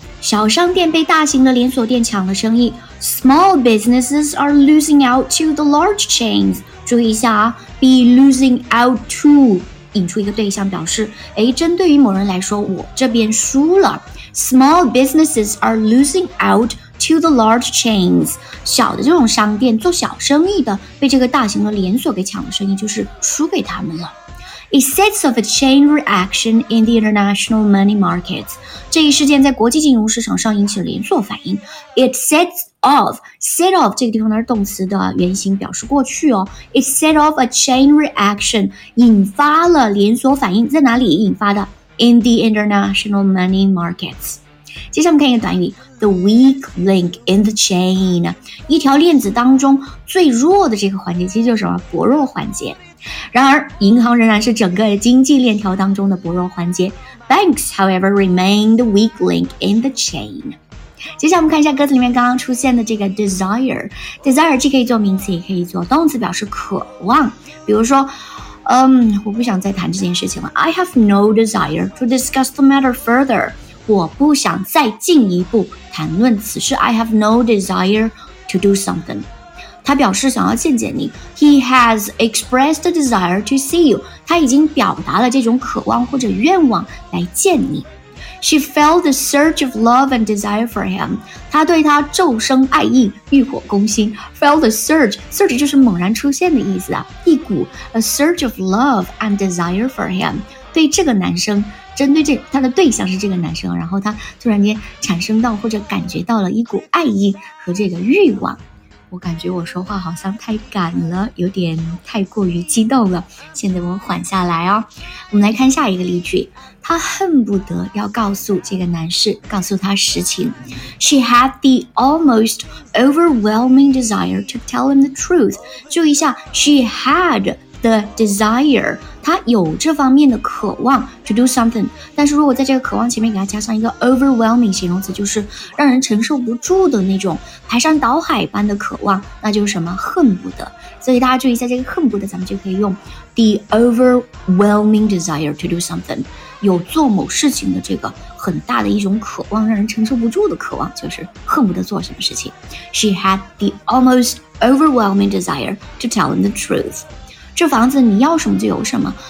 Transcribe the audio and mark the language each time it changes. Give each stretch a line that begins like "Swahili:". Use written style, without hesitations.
Chinese: 小商店被大型的连锁店抢了生意。
English: Small businesses are losing out to the large chains.
Chinese: 注意一下啊 ，
English: be losing out to
Chinese: 引出一个对象，表示哎，针对于某人来说，我这边输了。
English: Small businesses are losing out to the large chains.
Chinese: 小的这种商店做小生意的，被这个大型的连锁给抢了生意，就是输给他们了。
English: It sets off a chain reaction in the international money markets.
Chinese: 这一事件在国际金融市场上引起了连锁反应。
English: It sets off,
Chinese: set off 这个地方呢是动词的原形，表示过去哦。
English: It set off a chain reaction,
Chinese: 引发了连锁反应，在哪里引发的？
English: In the international money markets.
Chinese: 接下来我们看一个短语。
English: The weak link in the chain.
Chinese: 一条链子当中最弱的这个环节其实就是什么？薄弱环节。然而银行仍然是整个经济链条当中的薄弱环节。
English: Banks, however, remain the weak link in the chain.
Chinese: 接下来我们看一下歌词里面刚刚出现的这个 desire。desire 既可以做名词也可以做动词，表示渴望。比如说我不想再谈这件事情了。
English: I have no desire to discuss the matter further.
Chinese: 我不想再进一步谈论此事。
English: I have no desire to do something.
Chinese: 他表示想要见见你。
English: He has expressed a desire to see you.
Chinese: 他已经表达了这种渴望或者愿望来见你。
English: She felt the surge of love and desire for him.
Chinese: 他对他骤生爱意，欲火攻心。
English: Felt the surge.
Chinese: Surge 就是猛然出现的意思啊。一股
English: a surge of love and desire for him.
Chinese: 对这个男生，针对这他的对象是这个男生，然后他突然间产生到或者感觉到了一股爱意和这个欲望。我感觉我说话好像太赶了，有点太过于激动了，现在我缓下来哦。我们来看下一个例句。她恨不得要告诉这个男士，告诉他实情。
English: She had the almost overwhelming desire to tell him the truth.
Chinese: 注意一下
English: She had the desire.
Chinese: 她有这方面的渴望
English: to do something.
Chinese: 但是如果在这个渴望前面给她加上一个 overwhelming 形容词，就是让人承受不住的那种排山倒海般的渴望，那就是什么？恨不得。所以大家注意一下这个恨不得，咱们就可以用
English: the overwhelming desire to do something.
Chinese: 有做某事情的这个很大的一种渴望，让人承受不住的渴望，就是恨不得做什么事情。
English: She had the almost overwhelming desire to tell him the truth.
Chinese: 这房子你要什么就有什么。